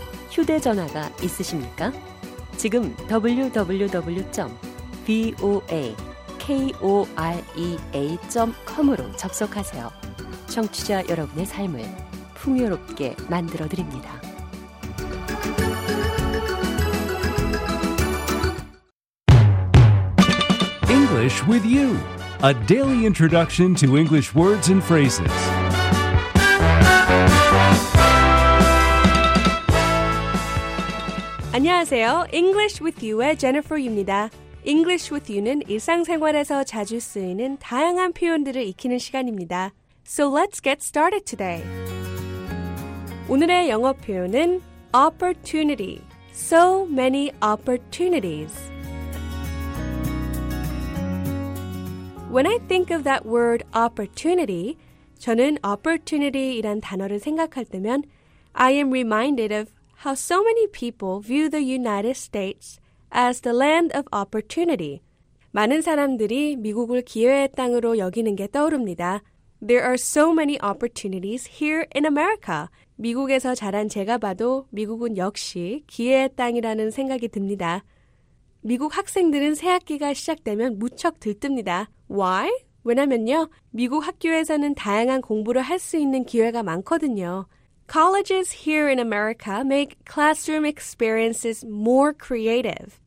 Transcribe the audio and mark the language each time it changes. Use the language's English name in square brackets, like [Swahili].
[Korean] 휴대전화가 있으십니까? 지금 www.voakorea.com으로 접속하세요. 청취자 여러분의 삶을 풍요롭게 만들어드립니다. [English] English with you, a daily introduction to English words and phrases. [Korean] 안녕하세요. English with you의 Jennifer입니다. English with you는 일상생활에서 자주 쓰이는 다양한 표현들을 익히는 시간입니다. [English] So let's get started today. [Korean] 오늘의 영어 표현은 [English] opportunity. So many opportunities. When I think of that word opportunity, [Korean] 저는 opportunity이란 단어를 생각할 때면 [English] I am reminded of how so many people view the United States as the land of opportunity. [Korean] 많은 사람들이 미국을 기회의 땅으로 여기는 게 떠오릅니다. [English] There are so many opportunities here in America. [Korean] 미국에서 자란 제가 봐도 미국은 역시 기회의 땅이라는 생각이 듭니다. 미국 학생들은 새학기가 시작되면 무척 들뜹니다. [English] Why? [Korean] 왜냐면요, 미국 학교에서는 다양한 공부를 할 수 있는 기회가 많거든요. [English] Colleges here in America make classroom experiences more creative.